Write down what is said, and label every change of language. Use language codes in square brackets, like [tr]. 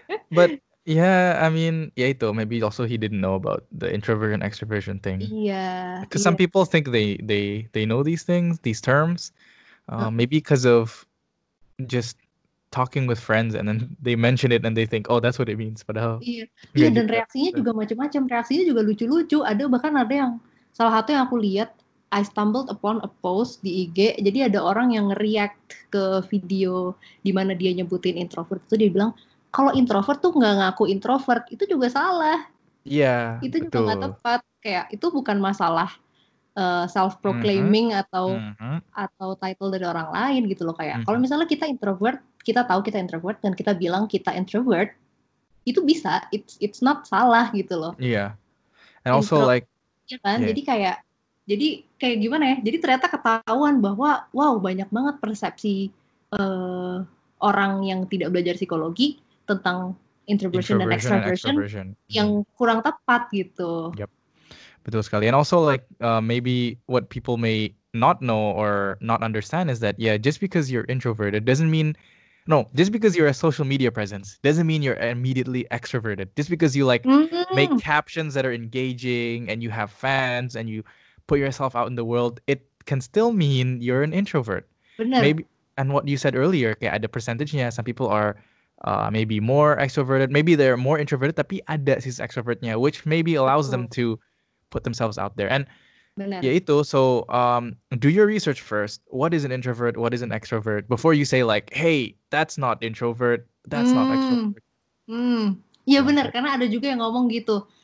[en] But yeah, I mean, yeah, [id] itu [en] maybe also he didn't know about the introversion extroversion thing. [id] Iya. [en] Yeah, because some people think they know these things, these terms. Maybe because of just talking with friends and then they mention it and they think, oh, that's what it means. [id] Padahal. Iya. [en] Yeah. [id] Iya, yeah, dan reaksinya juga macam-macam. Reaksinya juga lucu-lucu. Ada bahkan ada yang salah satu yang aku lihat, [en] I stumbled upon a post [id] di IG. Jadi ada orang yang nge-react ke video di mana dia nyebutin introvert itu, dia bilang kalau introvert tuh nggak ngaku introvert itu juga salah. Iya. Yeah, itu juga nggak tepat. Kayak itu bukan masalah self-proclaiming atau title dari orang lain gitu loh. Kayak kalau misalnya kita introvert, kita tahu kita introvert dan kita bilang kita introvert, itu bisa. [en] It's not [id] salah gitu loh. Iya. [en] Yeah. And also like. [id] Iya kan. [en] Yeah. [id] Jadi kayak gimana ya? Jadi ternyata ketahuan bahwa wow banyak banget persepsi orang yang tidak belajar psikologi tentang introversion dan extroversion yang kurang tepat gitu. Yep, betul sekali. [en] And also like maybe what people may not know or not understand is that yeah, just because you're introverted doesn't mean just because you're a social media presence doesn't mean you're immediately extroverted. Just because you like make captions that are engaging and you have fans and you put yourself out in the world, it can still mean you're an introvert. [id] Bener. [en] Maybe, and what you said earlier, [id] kayak ada percentage-nya, [en] some people are maybe more extroverted, maybe they're more introverted, [id] tapi ada sih extrovert-nya, [en] which maybe allows them to put themselves out there. And [id] bener. Ya itu, [en] so do your research first. What is an introvert? What is an extrovert? Before you say like, hey, that's not introvert, that's not extrovert. [id] Ya benar, karena ada juga yang ngomong gitu.